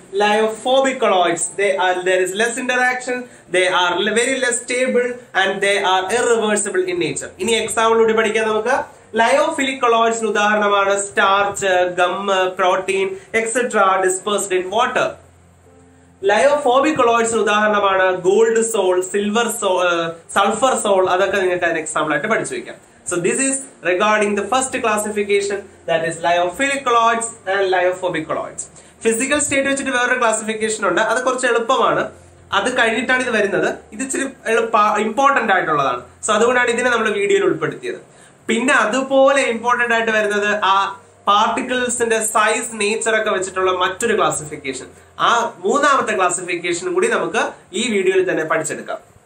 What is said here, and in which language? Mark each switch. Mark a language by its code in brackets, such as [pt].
[en] Lyophobic colloids, they are, there is less interaction, they are very less stable and they are irreversible in nature. [ml] ഇനി example കൂടി പഠിക്കാം നമുക്ക്. Lyophilic colloids ഉദാഹരണമാണ് starch, gum, protein et cetera ഡിസ്പേർസ്ഡ് in water. Lyophobic colloids ഉദാഹരണമാണ് gold sol, silver soul, sulphur soul, അതൊക്കെ നിങ്ങൾക്ക് അതിന് example ആയിട്ട് പഠിച്ചു വെക്കാം. [en] So this is regarding the first classification, that is lyophilic colloids and lyophobic colloids. [ml] Physical state വെച്ചിട്ട് വേറൊരു classification ഉണ്ട്, അത് കുറച്ച് എളുപ്പമാണ്. അത് കഴിഞ്ഞിട്ടാണ് ഇത് വരുന്നത്. ഇത് ഇച്ചിരി ഇമ്പോർട്ടന്റ് ആയിട്ടുള്ളതാണ്. സോ അതുകൊണ്ടാണ് ഇതിനെ നമ്മൾ വീഡിയോയിൽ ഉൾപ്പെടുത്തിയത്. പിന്നെ അതുപോലെ ഇമ്പോർട്ടന്റ് ആയിട്ട് വരുന്നത് ആ പാർട്ടിക്കിൾസിന്റെ സൈസ്, നേച്ചർ ഒക്കെ വെച്ചിട്ടുള്ള മറ്റൊരു ക്ലാസിഫിക്കേഷൻ, ആ മൂന്നാമത്തെ ക്ലാസിഫിക്കേഷൻ കൂടി നമുക്ക് ഈ വീഡിയോയിൽ തന്നെ പഠിച്ചെടുക്കാം.